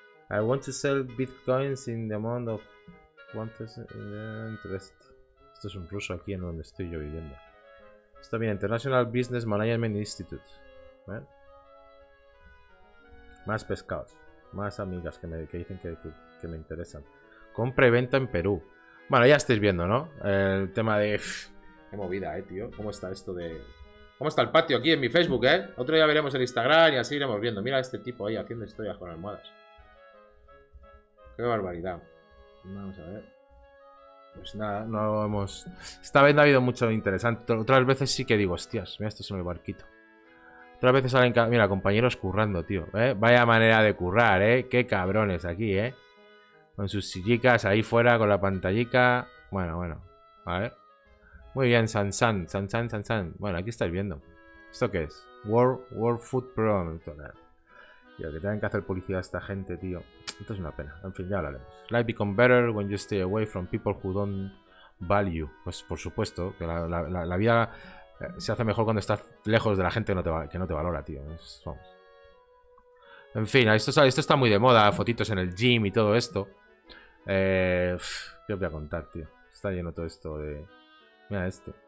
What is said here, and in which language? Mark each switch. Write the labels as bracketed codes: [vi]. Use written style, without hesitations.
[en] I want to sell bitcoins in the amount of 1000 interest. [es] Esto es un ruso aquí en donde estoy yo viviendo. Esto viene International Business Management Institute. ¿Eh? Más pescados. Más amigas que dicen que me interesan. Compra y venta en Perú. Bueno, ya estáis viendo, ¿no? El tema de... Qué movida, tío. ¿Cómo está esto de...? ¿Cómo está el patio aquí en mi Facebook, Otro día veremos el Instagram y así iremos viendo. Mira a este tipo ahí haciendo historias con almohadas. Qué barbaridad. Vamos a ver. Pues nada, no hemos... Esta vez no ha habido mucho interesante. Otras veces sí que digo, hostias, mira, esto es en el barquito. Otras veces salen... Mira, compañeros currando, tío. Vaya manera de currar, Qué cabrones aquí, Con sus sillicas ahí fuera, con la pantallica. Bueno. A ver. Muy bien, San. Bueno, aquí estáis viendo. ¿Esto qué es? World Food Program. Tío, que tengan que hacer publicidad a esta gente, tío. Esto es una pena. En fin, ya hablaremos. [en] Life become better when you stay away from people who don't value. [es] Pues por supuesto, que la vida se hace mejor cuando estás lejos de la gente que no te valora, tío. Vamos. En fin, esto está muy de moda. Fotitos en el gym y todo esto. ¿Qué os voy a contar, tío? Está lleno todo esto de... Mira, este.